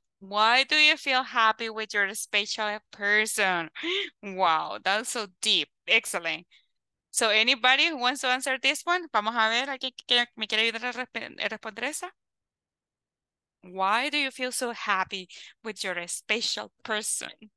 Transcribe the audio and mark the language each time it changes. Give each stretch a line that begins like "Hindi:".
English: Why do you feel happy with your special person? Wow, that's so deep. Excellent. So anybody who wants to answer this one?
Spanish: Vamos a ver, ¿me quiere ayudar a responder esa?
English: Why do you feel so happy with your special person?